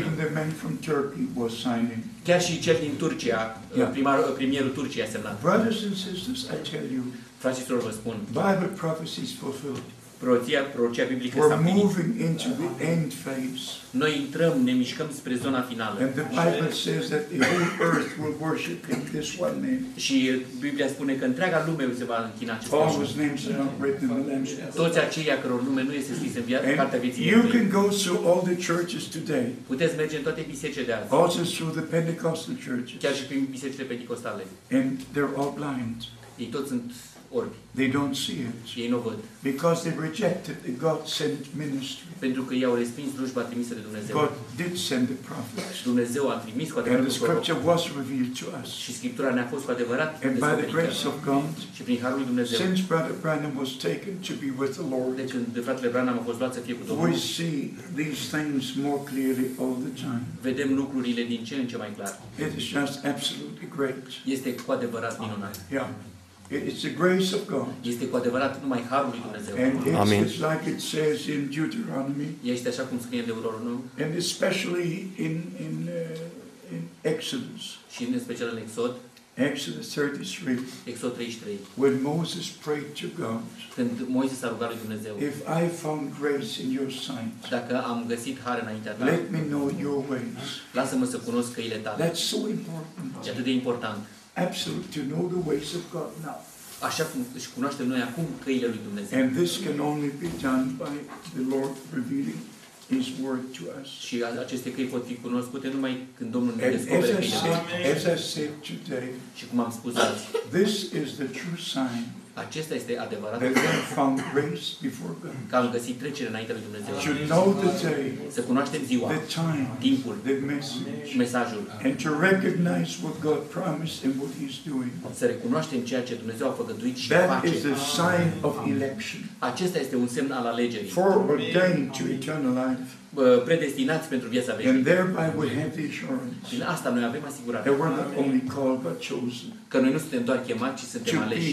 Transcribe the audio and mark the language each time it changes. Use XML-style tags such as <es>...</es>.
<en>Even the man from Turkey was signing.</en> <ro>Chiar și cel din Turcia, premierul Turciei a semnat.</ro> <en>Brothers and sisters, I tell you.</en> <ro>Fraților, vă spun.</ro> <en>Bible prophecy is fulfilled.</en> <ro>Prorocia biblică s-a împlinit.</ro> <en>We're moving into the end phase.</en> <ro>Noi intrăm, ne mișcăm spre zona finală.</ro> <en>And the Bible says that the whole earth will worship in this one name.</en> <ro>Și Biblia spune că întreaga lume se va închina acestui.</ro> <en>All whose names are not written in the Lamb's book.</en> <ro>Toți aceia căror nume nu este scris în cartea vieții.</ro> <en>You can go through all the churches today.</en> <ro>Puteți merge în toate bisericile de azi.</ro> <en>Also through the Pentecostal churches.</en> <ro>Chiar și prin bisericile pentecostale.</ro> <en>And they're all blind.</en> <ro>Ei toți sunt orbi.</ro> <en>They don't see it.</en> <ro>Ei nu văd.</ro> <en>Because they rejected the God sent ministry.</en> <ro>Pentru că ei au respins slujba trimisă de Dumnezeu.</ro> <en>God did send the prophets.</en> <ro>Dumnezeu a trimis cu adevărat.</ro> <en>And the scripture was revealed to us.</en> <ro>Și scriptura ne-a fost cu adevărat.</ro> <en>And by the grace of God.</en> <ro>Și prin harul lui Dumnezeu.</ro> <en>Since Brother Branham was taken to be with the Lord.</en> <ro>De când fratele Branham a fost luat să fie cu Domnul.</ro> <en>We see these things more clearly all the time.</en> <ro>Vedem lucrurile din ce în ce mai clar.</ro> <en>It is just absolutely great.</en> <ro>Este cu adevărat minunat.</ro> <en>Yeah. It's the grace of God.</en> <ro>Este cu adevărat numai harul lui Dumnezeu.</ro> <en>And it's like it says in Deuteronomy.</en> <ro>Este așa cum scrie în Deuteronom.</ro> <en>And especially in Exodus.</en> <ro>Și în special în Exod.</ro> <en>Exodus 33.</en> <ro>Exod 33.</ro> <en>When Moses prayed to God.</en> <ro>Când Moise s-a rugat lui Dumnezeu.</ro> <en>If I found grace in your sight.</en> <ro>Dacă am găsit har înaintea ta.</ro> <en>Let me know your ways.</en> <ro>Lasă-mă să cunosc căile tale.</ro> <en>That's so important.</en> <ro>E atât de important.</ro> <en>Absolutely, to know the ways of God now.</en> <ro>Așa cum își cunoaștem noi acum căile lui Dumnezeu.</ro> <en>And this can only be done by the Lord revealing His word to us.</en> <ro>Și aceste căi pot fi cunoscute numai când Domnul ne descoperă căile.</ro> <en>As I said today.</en> <ro>Și cum am spus azi.</ro> <en>This is the true sign.</en> <ro>Acesta este adevărat.</ro> <en>Found grace before God.</en> <ro>Că am găsit trecere înaintea lui Dumnezeu.</ro> <en>To know the day,</en> <ro>să cunoaștem ziua,</ro> <en>the time,</en> <ro>timpul,</ro> <en>the message,</en> <ro>mesajul.</ro> <en>And to recognize what God promised and what He's doing.</en> <ro>Să recunoaștem ceea ce Dumnezeu a făgăduit și</ro> <en>that</en> <ro>face.</ro> <en>That is the sign of election.</en> <ro>Acesta este un semn al alegerii.</ro> <en>Foreordained to eternal life.</en> <ro>Predestinați pentru viața veșnică.</ro> <en>And thereby we have the assurance.</en> <ro>Prin asta noi avem asigurare.</ro> <en>That we're not only called but chosen.</en> <ro>Că noi nu suntem doar chemați, ci suntem aleși.</ro>